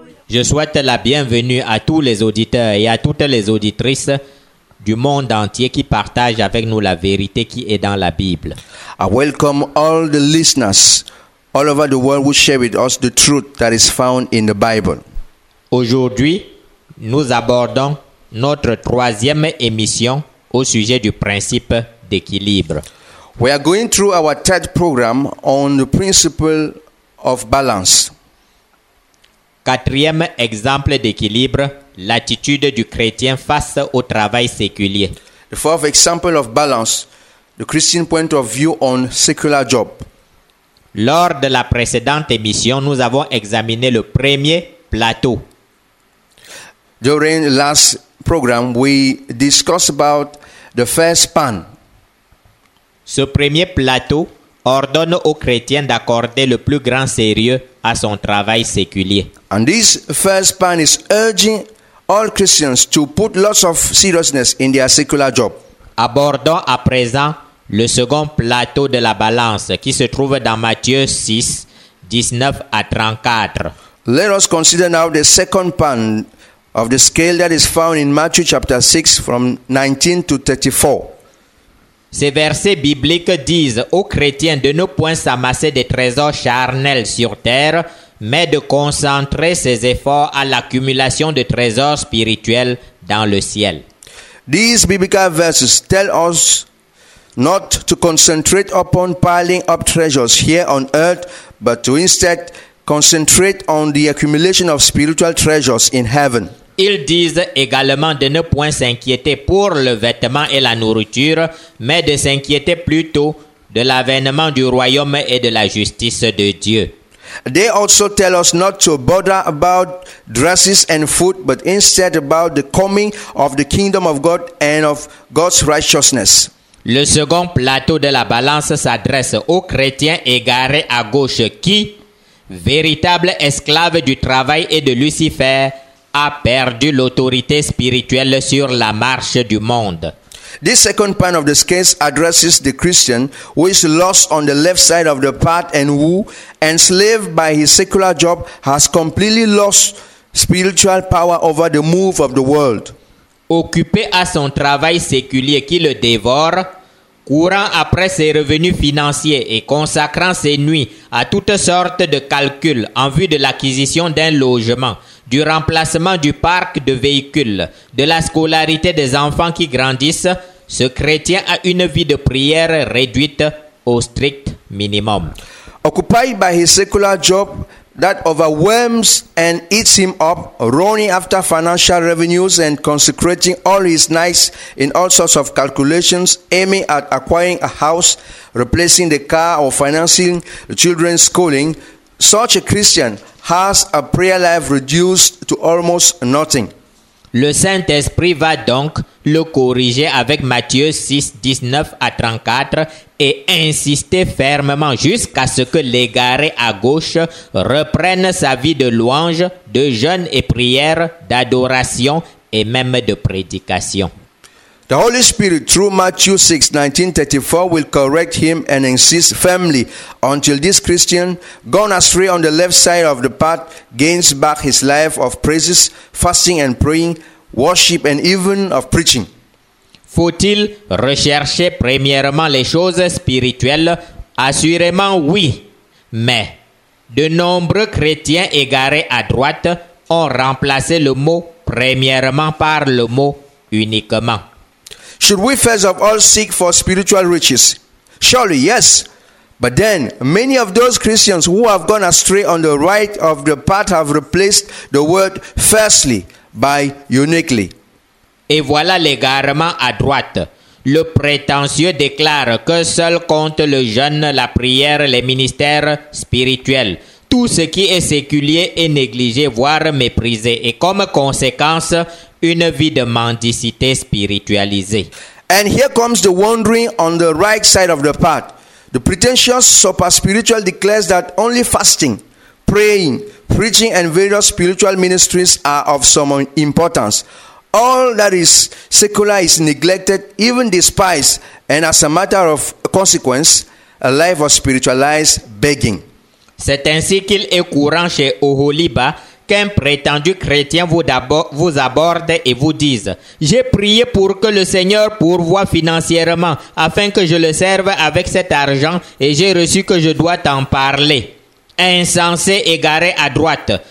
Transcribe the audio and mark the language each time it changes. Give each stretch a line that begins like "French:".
French: Je souhaite la bienvenue à tous les auditeurs et à toutes les auditrices du monde entier qui partagent avec nous la vérité qui est dans la Bible.
English: I welcome all the listeners all over the world who share with us the truth that is found in the Bible.
French: Aujourd'hui, nous abordons notre troisième émission au sujet du principe d'équilibre.
English: We are going through our third program on the principle of balance.
French: Quatrième exemple d'équilibre, l'attitude du chrétien face au travail séculier.
English: The fourth example of balance, the Christian point of view on secular job.
French: Lors de la précédente émission, nous avons examiné le premier plateau.
English: During the last program, we discussed about the first span.
French: Ce premier plateau ordonne aux chrétiens d'accorder le plus grand sérieux à son travail séculier.
English: And this first span is urging all Christians to put lots of seriousness in their secular job.
French: Abordons à présent le second plateau de la balance qui se trouve dans Matthieu 6, 19 à 34.
English: Let us consider now the second pan of the scale that is found in Matthew chapter 6 from 19 to 34.
French: Ces versets bibliques disent aux chrétiens de ne point s'amasser des trésors charnels sur terre, mais de concentrer ses efforts à l'accumulation de trésors spirituels dans le ciel.
English: These biblical verses tell us not to concentrate upon piling up treasures here on earth, but to instead concentrate on the accumulation of spiritual treasures in heaven.
French: Ils disent également de ne point s'inquiéter pour le vêtement et la nourriture, mais de s'inquiéter plutôt de l'avènement du royaume et de la justice de Dieu.
English: They also tell us not to bother about dresses and food, but instead about the coming of the kingdom of God and of God's righteousness.
French: Le second plateau de la balance s'adresse aux chrétiens égarés à gauche qui, véritables esclaves du travail et de Lucifer, a perdu l'autorité spirituelle sur la marche du monde.
English: This second part of the scale addresses the Christian who is lost on the left side of the path and who, enslaved by his secular job, has completely lost spiritual power over the move of the world.
French: Occupé à son travail séculier qui le dévore, courant après ses revenus financiers et consacrant ses nuits à toutes sortes de calculs en vue de l'acquisition d'un logement, du remplacement du parc de véhicules, de la scolarité des enfants qui grandissent, ce chrétien a une vie de prière réduite au strict minimum.
English: Occupied by his secular job that overwhelms and eats him up, running after financial revenues and consecrating all his nights in all sorts of calculations, aiming at acquiring a house, replacing the car, or financing the children's schooling, such a Christian has a prayer life reduced to almost nothing.
French: Le Saint-Esprit va donc le corriger avec Matthieu 6, 19 à 34 et insister fermement jusqu'à ce que l'égaré à gauche reprenne sa vie de louange, de jeûne et prière, d'adoration et même de prédication.
English: The Holy Spirit, through Matthew 6:19-34, will correct him and insist firmly until this Christian, gone astray on the left side of the path, gains back his life of praises, fasting and praying, worship and even of preaching.
French: Faut-il rechercher premièrement les choses spirituelles? Assurément, oui. Mais de nombreux chrétiens égarés à droite ont remplacé le mot « premièrement » par le mot « uniquement ».
English: Should we first of all seek for spiritual riches? Surely, yes. But then, many of those Christians who have gone astray on the right of the path have replaced the word « firstly » by « uniquely ».
French: Et voilà l'égarement à droite. Le prétentieux déclare que seul compte le jeûne, la prière, les ministères spirituels. Tout ce qui est séculier est négligé, voire méprisé. Et comme conséquence, une vie de mendicité spiritualisée.
English: And here comes the wandering on the right side of the path. The pretentious super-spiritual declares that only fasting, praying, preaching and various spiritual ministries are of some importance. All that is secular is neglected, even despised, and as a matter of consequence, a life of spiritualized begging.
French: C'est ainsi qu'il est courant chez Oholiba qu'un prétendu chrétien vous aborde et vous dise « J'ai prié pour que le Seigneur pourvoie financièrement afin que je le serve avec cet argent et j'ai reçu que je dois t'en parler. » Insensé égaré à droite.